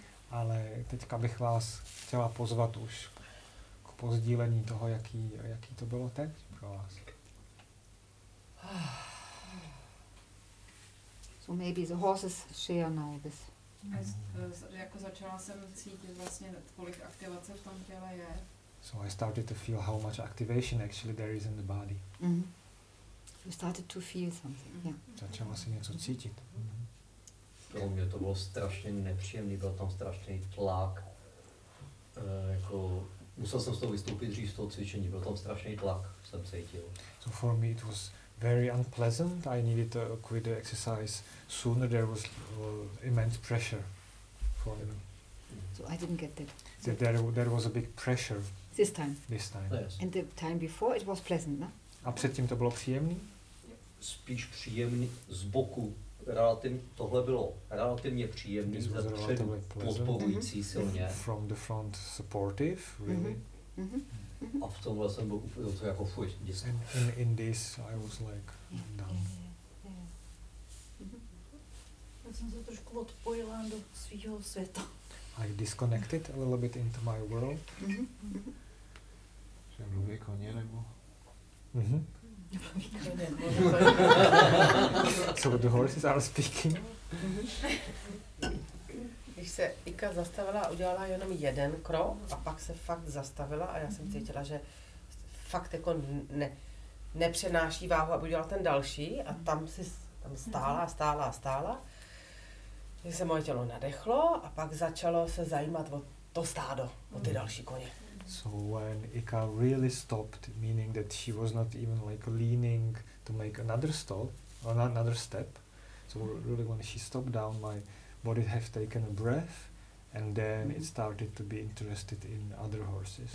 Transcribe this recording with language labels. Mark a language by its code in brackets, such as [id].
[cs] Ale teďka bych vás chtěla pozvat už k pozdílení toho, jaký to bylo teď pro vás. [en] So maybe the horses share now this. [cs] Jako začala jsem cítit vlastně, kolik aktivace v tom těle je. [en] So I started to feel how much activation actually there is in the body. Mm-hmm. You started to feel something, yeah. [cs] Začala si něco cítit. Pro mě to bylo strašně nepříjemný, byl tam strašný tlak. Jako, musel jsem z toho vystoupit dřív z toho cvičení, byl tam strašný tlak, jsem cítil. [en] So for me it was very unpleasant. I needed to quit the exercise sooner. There was immense pressure for me. So I didn't get that. There was a big pressure. This time. Yes. And the time before it was pleasant, no? [cs] A předtím to bylo příjemný? Spíš příjemný z boku. Tohle bylo relativně příjemný, podporující silně. [en] From the front supportive, really. [cs] A v tomhle jsem byl úplně to jako fuj. [en] In this I was like down. [cs] Já jsem se trošku odpojila do svého světa. [en] I disconnected a little bit into my world. [cs] Že mluví koně nebo? [en] So the horses are speaking. [cs] Když se Ika zastavila a udělala jenom jeden krok a pak se fakt zastavila a já jsem cítila, že fakt jako nepřenáší váhu a udělala ten další a tam si tam stála, že se moje tělo nadechlo a pak začalo se zajímat o to stádo, o ty další koně. [en] So when Ika really stopped, meaning that she was not even like leaning to make another stop or another step, so really when she stopped down, my body have taken a breath, and then it started to be interested in other horses.